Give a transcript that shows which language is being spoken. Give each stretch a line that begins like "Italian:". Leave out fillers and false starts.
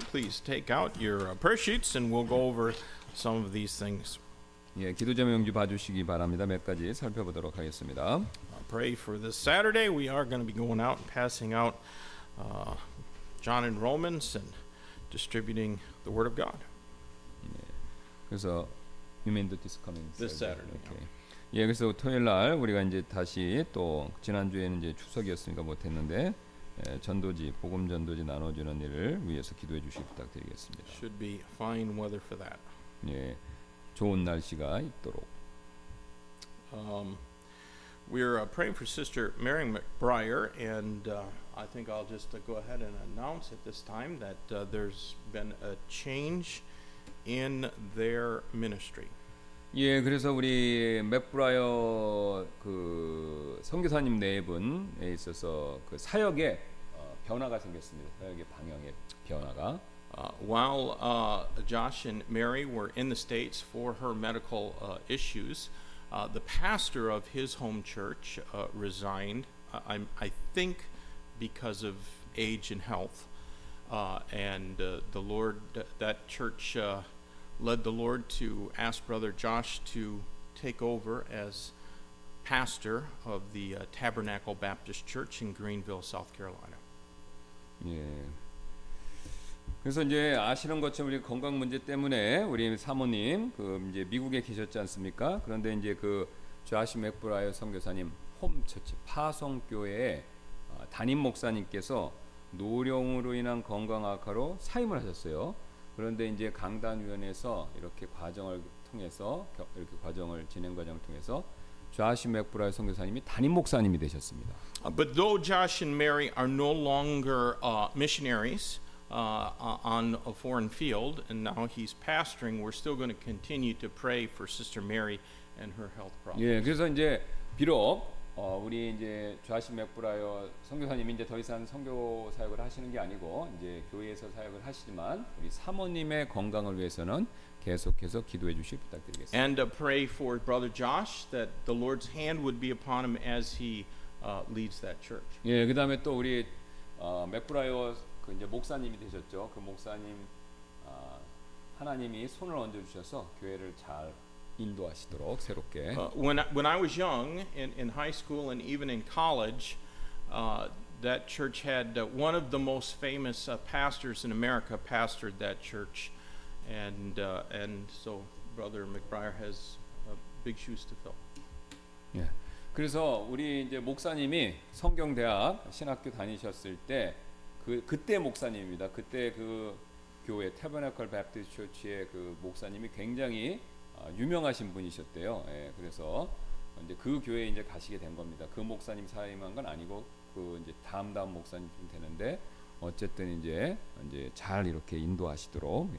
English: Please take out your prayer sheets and we'll go over some of these things.
Korean: 예, 기도 제목 용지 봐주시기 바랍니다. 몇 가지 살펴보도록 하겠습니다.
English: Pray for this Saturday. We are going to be going out and passing out John and Romans and distributing the word of God. Yeah. So you mean that this coming Saturday? This Saturday. Okay. Yeah.
Korean: Yeah, 그래서 토요일 날 우리가 이제 다시 또 지난주에는 이제 추석이었으니까 못 했는데 예, 전도지 복음 전도지 나눠 주는 일을 위해서 기도해 주시기 부탁드리겠습니다.
English: Should be fine weather for that.
Korean: 예. 좋은 날씨가 있도록.
English: We're praying for Sister Mary McBriar, and I think I'll just go ahead and announce at this time that there's been a change in their ministry.
Korean: 예, 그래서 우리 맥브라이어 그 선교사님 네 분에 있어서 그 사역에 변화가 생겼습니다. 사역의 방향에 변화가.
English: While Josh and Mary were in the States for her medical issues, the pastor of his home church resigned. I think because of age and health, and the Lord that church led the Lord to ask Brother Josh to take over as pastor of the Tabernacle Baptist Church in Greenville, South Carolina.
Korean: 예. 그래서 이제 아시는 것처럼 우리 건강 문제 때문에 우리 사모님 그 이제 미국에 계셨지 않습니까? 그런데 이제 그 조시 맥브라이어 선교사님 홈처치 파송교회 담임 목사님께서 노령으로 인한 건강 악화로 사임을 하셨어요. 그런데 이제 강단위원회에서 이렇게 과정을 통해서 이렇게 과정을 진행 과정을 통해서 조시 맥브라이어 선교사님이 담임 목사님이 되셨습니다.
English: But though Josh and Mary are no longer missionaries on a foreign field, and now he's pastoring, we're still going to continue to pray for Sister Mary and her health problems.
Korean: 예, 그래서 이제 비록 우리 이제 조시 맥브라이어 선교사님이 이제 더 이상 선교 사역을 하시는 게 아니고 이제 교회에서 사역을 하시지만 우리 사모님의 건강을 위해서는 계속해서 기도해 주시길 부탁드리겠습니다.
English: And pray for Brother Josh that the Lord's hand would be upon him as he leads that church.
Korean: 예, 그다음에 또 우리 맥브라이어 그 이제 목사님이 되셨죠. 그 목사님 하나님이 손을 얹어 주셔서 교회를 잘 인도하시도록 새롭게.
English: When I was young in high school and even in college, that church had one of the most famous pastors in America pastored that church, and so Brother McBriar has big shoes to fill.
Korean: 예. 그래서 우리 이제 목사님이 성경대학 신학교 다니셨을 때 그때 목사님입니다. 그때 그 교회 태버나클 베프티스 교회의 그 목사님이 굉장히 유명하신 분이셨대요. 예, 그래서 이제 그 교회에 이제 가시게 된 겁니다. 그 목사님 사임한 건 아니고 그 이제 다음 목사님이 되는데 어쨌든 이제 잘 이렇게 인도하시도록.